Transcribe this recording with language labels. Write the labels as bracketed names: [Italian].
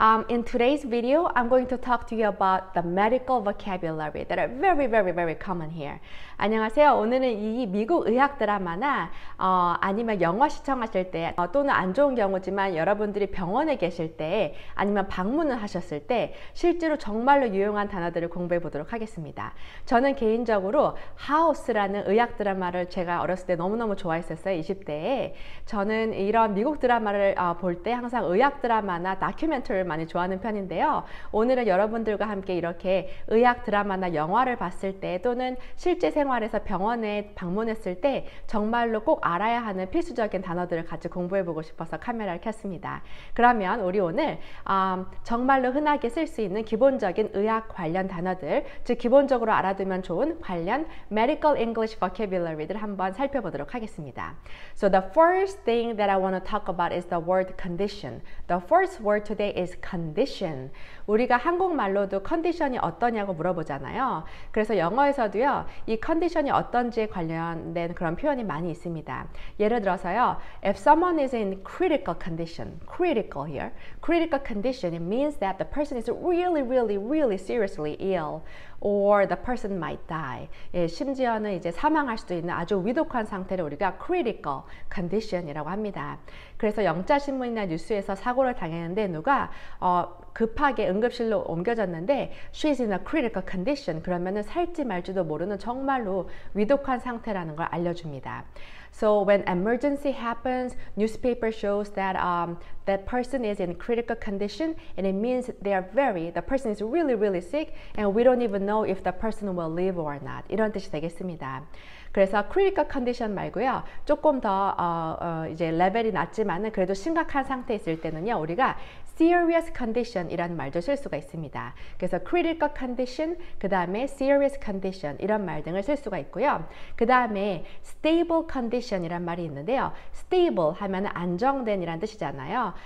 [English] In today's video, I'm going to talk to you about the medical vocabulary that are very, very, very common here. [Korean] 안녕하세요. 오늘은 이 미국 의학 드라마나 아니면 영화 시청하실 때 또는 안 좋은 경우지만 여러분들이 병원에 계실 때 아니면 방문을 하셨을 때 실제로 정말로 유용한 단어들을 공부해 보도록 하겠습니다. 저는 개인적으로 하우스라는 의학 드라마를 제가 어렸을 때 너무너무 좋아했었어요. 20대에. 저는 이런 미국 드라마를 볼 때 항상 의학 드라마나 다큐멘터리를 많이 좋아하는 편인데요. 오늘은 여러분들과 함께 이렇게 의학 드라마나 영화를 봤을 때 또는 실제 생활에서 병원에 방문했을 때 정말로 꼭 알아야 하는 필수적인 단어들을 같이 공부해보고 싶어서 카메라를 켰습니다. 그러면 우리 오늘 정말로 흔하게 쓸 수 있는 기본적인 의학 관련 단어들, 즉 기본적으로 알아두면 좋은 관련 Medical English Vocabulary를 한번 살펴보도록 하겠습니다. [English] So the first thing that I want to talk about is the word condition. The first word today is condition. [Korean] 우리가 한국말로도 컨디션이 어떠냐고 물어보잖아요. 그래서 영어에서도요, 이 컨디션이 어떤지에 관련된 그런 표현이 많이 있습니다. 예를 들어서요, [English] if someone is in critical condition, critical here, critical condition, it means that the person is really, really, really seriously ill. Or the person might die. [Korean] 예, 심지어는 이제 사망할 수도 있는 아주 위독한 상태를 우리가 critical condition이라고 합니다. 그래서 영자신문이나 뉴스에서 사고를 당했는데 누가 급하게 응급실로 옮겨졌는데 [English] she's in a critical condition. [Korean] 그러면은 살지 말지도 모르는 정말로 위독한 상태라는 걸 알려줍니다. [English] So when emergency happens, newspaper shows that that person is in critical condition and it means they are very, the person is really, really sick and we don't even know if the person will live or not. [Korean] 이런 뜻이 되겠습니다. 그래서 critical condition 말고요. 조금 더 이제 레벨이 낮지만은 그래도 심각한 상태 있을 때는요. 우리가 serious condition 이라는 말도 쓸 수가 있습니다. 그래서 critical condition, 그 다음에 serious condition 이런 말 등을 쓸 수가 있고요. 그 다음에 stable condition 이란 말이 있는데요. stable 하면 안정된 이란 뜻이잖아요.